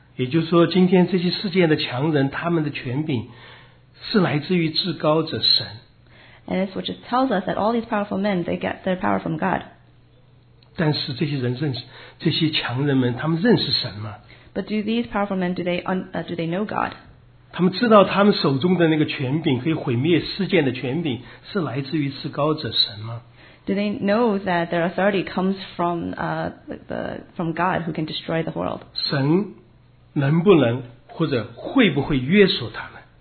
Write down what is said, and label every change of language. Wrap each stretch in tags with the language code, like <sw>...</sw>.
<zh>也就是说今天这些世界的强人他们的权柄是来自于至高者神。</zh> <en>And this which tells us that all these powerful men, they get their power from God.</en> <zh>但是这些人认识这些强人们他们认识神吗</zh> <en>But do these powerful men, do they know God?</en> <zh>他们知道他们手中的那个权柄可以毁灭世界的权柄是来自于至高者神吗</zh> <en>Do they know that their authority comes from, from God who can destroy the world?</en> <zh>神能不能或者会不会约束他们</zh>